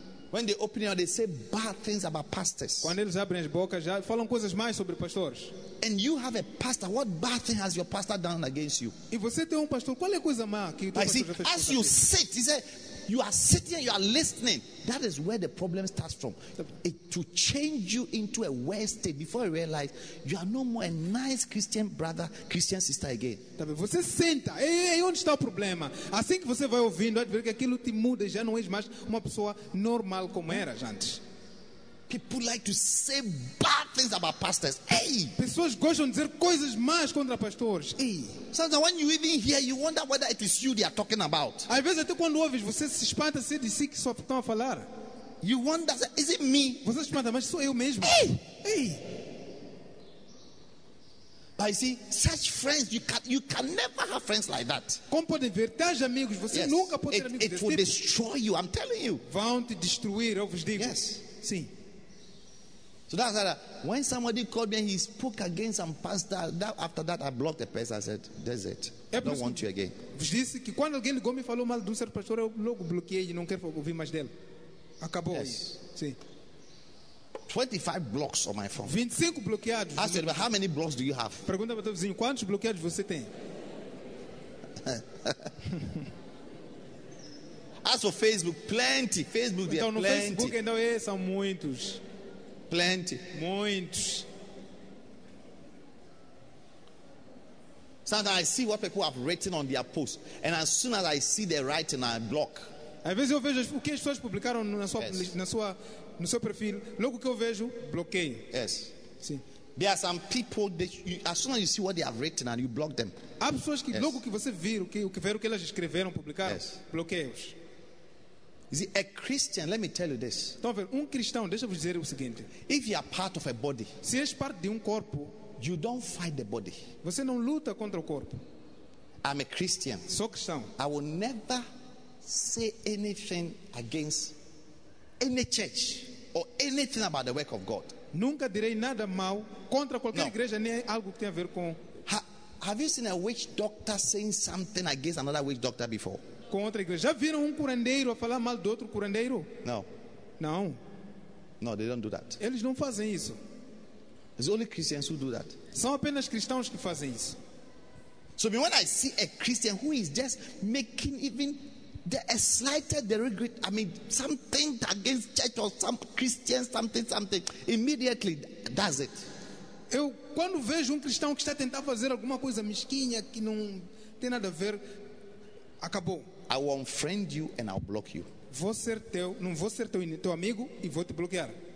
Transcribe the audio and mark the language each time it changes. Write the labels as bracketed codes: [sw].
[en] When they open up, they say bad things about pastors. [pt] Quando eles abrem as bocas, já falam coisas mais sobre pastores. [en] And you have a pastor. What bad thing has your pastor done against you? [pt] E você tem um pastor. Qual é a coisa má que o teu pastor já fez? [en] As you sit, he said, you are sitting, you are listening. That is where the problem starts from. It to change you into a worse state before you realize you are no more a nice Christian brother, Christian sister again. [pt] Você senta. Ei, onde está o problema? Assim que você vai ouvindo, vai ver que aquilo te muda, já não és mais uma pessoa normal como era antes. [en] People like to say bad things about pastors. Hey! [pt] Pessoas gostam de dizer coisas más contra pastores. Hey! [en] Sometimes when you even hear, you wonder whether it is you they are talking about. [pt] Às vezes até quando ouves, você se espanta, se diz que só estão a falar. [en] You wonder, is it me? [pt] Você se espanta, mas sou eu mesmo. Hey! Hey! [en] But you see, such friends, you can never have friends like that. [pt] Como podem ver, tais amigos, você nunca pode ter amigos. [en] It will destroy you, I'm telling you. [pt] Vão te destruir, eu vos digo. [en] Yes. [pt] Sim. [en] So that's how when somebody called me and he spoke against some pastor, that after that I blocked the person. I said, that's it. I don't want you again. [pt] Vos disse que quando alguém ligou me falou mal de um certo pastor, eu logo bloqueei e não quero ouvir mais dele. Acabou. [en] Yes. [pt] Sim. [en] 25 blocks on my phone. [pt] 25 bloqueados. [en] Ask me, how many blocks do you have? [pt] Pergunta para o teu vizinho, quantos bloqueados você tem? [en] Ask for Facebook, plenty. Facebook, [pt] então, [en] there no plenty. [pt] Facebook ainda é, são muitos. [en] Plenty. [pt] Muitos. [en] Sometimes I see what people have written on their posts, and as soon as I see their writing, I block. [pt] Às vezes eu vejo o que as pessoas publicaram no seu perfil, logo que eu vejo, bloqueio. [en] Yes. [pt] Sim. [en] There are some people that as soon as you see what they have written and you block them. [pt] Há pessoas que logo que você vir o que elas escreveram, publicaram, bloqueia-os. [en] Is it a Christian? Let me tell you this. [pt] Então, um cristão, deixa-me dizer o seguinte. [en] If you are part of a body, [pt] se és parte de um corpo, [en] you don't fight the body. [pt] Você não luta contra o corpo. [en] I'm a Christian. [pt] Sou cristão. [en] I will never say anything against any church or anything about the work of God. [pt] Nunca direi nada mal contra qualquer igreja nem algo que tenha a ver com. [en] Have you seen a witch doctor saying something against another witch doctor before? [pt] Com outra igreja. Já viram curandeiro a falar mal do outro curandeiro? Não. Não. [en] No, they don't do that. [pt] Eles não fazem isso. [en] It's only Christians who do that. [pt] São apenas cristãos que fazem isso. [en] So when I see a Christian who is just making even the slightest derogatory, I mean something against church or some Christian something, immediately does it. [pt] Eu quando vejo cristão que está tentando fazer alguma coisa mesquinha que não tem nada a ver, acabou. [en] I will unfriend you and I'll block you. [pt] Não vou ser teu amigo e vou te bloquear.